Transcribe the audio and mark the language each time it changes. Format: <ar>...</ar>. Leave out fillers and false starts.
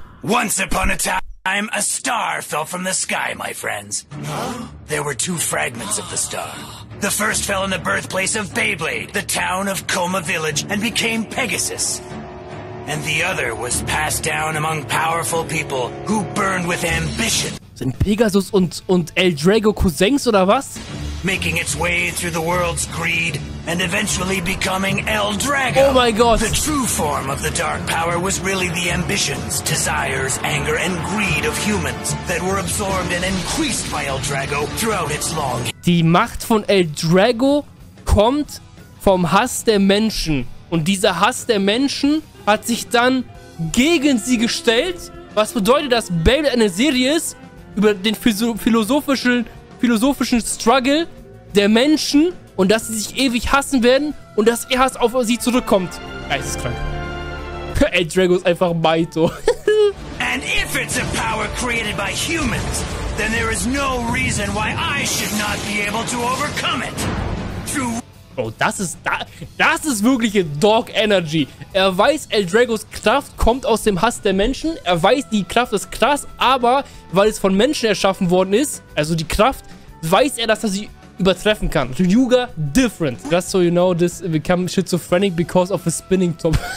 <en>Once upon a time, a star fell from the sky, my friends. There were two fragments of the star. The first fell in the birthplace of Beyblade, the town of Coma Village, and became Pegasus. And the other was passed down among powerful people who burned with ambition.</en> <de>Sind Pegasus und El Drago Cousins oder was?</de> <en>Making its way through the world's greed and eventually becoming El Drago. Oh my god. The true form of the dark power was really the ambitions, desires, anger, and greed of humans that were absorbed and increased by El Drago throughout its long.</en> <de>Die Macht von El Drago kommt vom Hass der Menschen. Und dieser Hass der Menschen hat sich dann gegen sie gestellt. Was bedeutet, dass Beyblade eine Serie ist über den philosophischen Struggle der Menschen und dass sie sich ewig hassen werden und dass ihr Hass auf sie zurückkommt. Geisteskrank. El Drago ist einfach Maito.</de> <en>And if it's a power created by humans, then there is no reason why I should not be able to overcome it.</en> <de>True. Bro, das ist wirklich Dog Energy. Er weiß, El Dragos Kraft kommt aus dem Hass der Menschen. Er weiß, die Kraft ist krass, aber weil es von Menschen erschaffen worden ist, also die Kraft, weiß er, dass er sie übertreffen kann.</de> <en>Ryuga, different. Just so you know, this become schizophrenic because of a spinning top.</en>